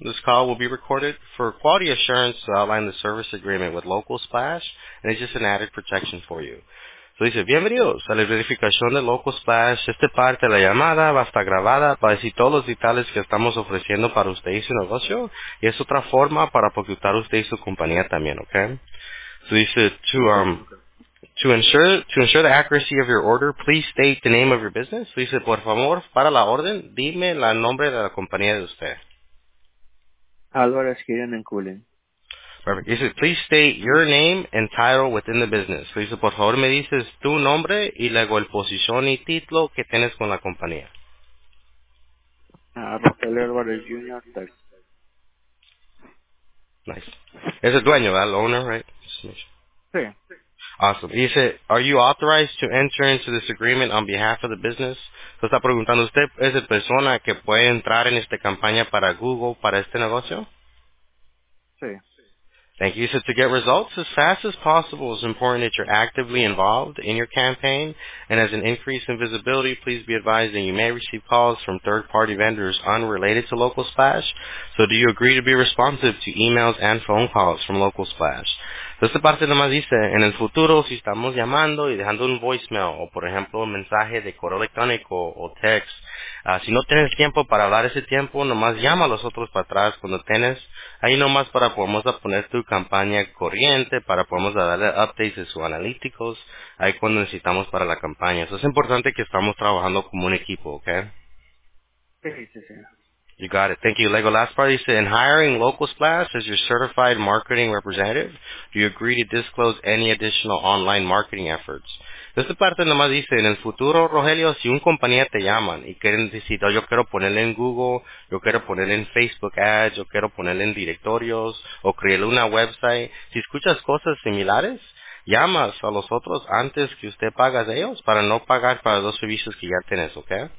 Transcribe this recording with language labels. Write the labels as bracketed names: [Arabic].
[English] This call will be recorded for quality assurance to outline the service agreement with Local Splash, and it's just an added protection for you. [Spanish] So dice, bienvenidos a la verificación de Local Splash. Esta parte de la llamada va a estar grabada para decir todos los detalles que estamos ofreciendo para usted y su negocio, y es otra forma para proyectar usted y su compañía también, okay? [English] So dice, To ensure the accuracy of your order, please state the name of your business. [Spanish] So dice, por favor, para la orden, dime el nombre de la compañía de usted. [English] Álvarez Kirin and Cooling. Perfect. Dice, please state your name and title within the business. [Spanish] So dice, por favor, me dices tu nombre y luego el posición y título que tienes con la compañía. [English] Rafael Álvarez Jr. Nice. [Spanish] Es el dueño, ¿verdad? El [English] owner, right? [Spanish] Sí. [English] Awesome. He said, are you authorized to enter into this agreement on behalf of the business? So está preguntando, ¿usted es la persona que puede entrar en esta campaña para Google, para este negocio? Sí. Thank you. He said, to get results as fast as possible, it's important that you're actively involved in your campaign. And as an increase in visibility, please be advised that you may receive calls from third-party vendors unrelated to Local Splash. So do you agree to be responsive to emails and phone calls from Local Splash? [Spanish] Entonces, esta parte nomás dice, en el futuro, si estamos llamando y dejando un voicemail, o por ejemplo, un mensaje de correo electrónico o text, si no tienes tiempo para hablar ese tiempo, nomás llama a los otros para atrás cuando tienes. Ahí nomás para podemos poner tu campaña corriente, para podemos darle updates de sus analíticos, ahí cuando necesitamos para la campaña. Eso es importante que estamos trabajando como un equipo, ¿ok? Sí, sí, sí. [English] You got it. Thank you. Lego, last part, you said, in hiring Local Splash as your certified marketing representative, do you agree to disclose any additional online marketing efforts? [Spanish] Esta parte nomás dice, en el futuro, Rogelio, si un compañía te llaman y quieren decir, oh, yo quiero ponerle en Google, yo quiero ponerle en Facebook Ads, yo quiero ponerle en directorios, o crearle una website, si escuchas cosas similares, llamas a los otros antes que usted pagas a ellos para no pagar para los servicios que ya tienes, ¿ok?